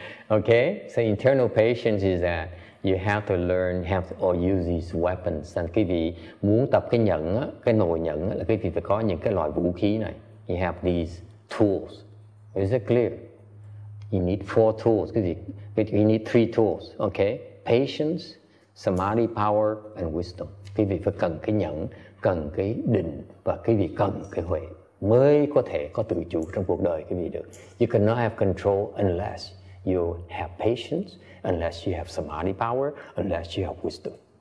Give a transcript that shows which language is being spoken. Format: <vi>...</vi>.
<en>Okay, so internal patience is that you have to learn, have to or use these weapons.</en> <vi>And quý vị muốn tập cái nhẫn, cái nồi nhẫn là quý vị phải có những cái loại vũ khí này.</vi> <en>You have these tools. Is it clear? You need four tools. You need three tools. Okay. Patience, samadhi power, and wisdom.</en> <vi>Quý vị phải cần cái nhẫn, cần cái định, và quý vị cần cái huệ mới có thể có tự chủ trong cuộc đời quý vị được.</vi> <en>You cannot have control unless you have patience, unless you have samadhi power, unless you have wisdom.</en>